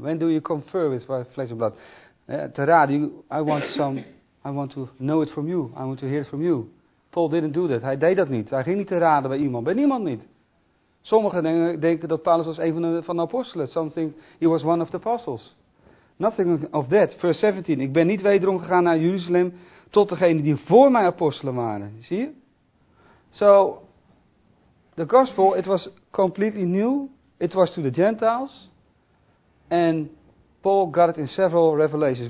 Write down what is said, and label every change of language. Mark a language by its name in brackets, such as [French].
[English] When do you confer with flesh and blood? [Dutch] Te raden. [English] I want to know it from you. I want to hear it from you. Paul didn't do that. [Dutch] Hij deed dat niet. Hij ging niet te raden bij iemand. Bij niemand niet. Sommigen denken dat Paulus was een van de apostelen. [English] Some think he was one of the apostles. Nothing of that. Verse 17. [Dutch] Ik ben niet wederom gegaan naar Jeruzalem tot degene die voor mij apostelen waren. Zie je? [English] So, the gospel, it was completely new. It was to the Gentiles. And Paul got it in several revelations.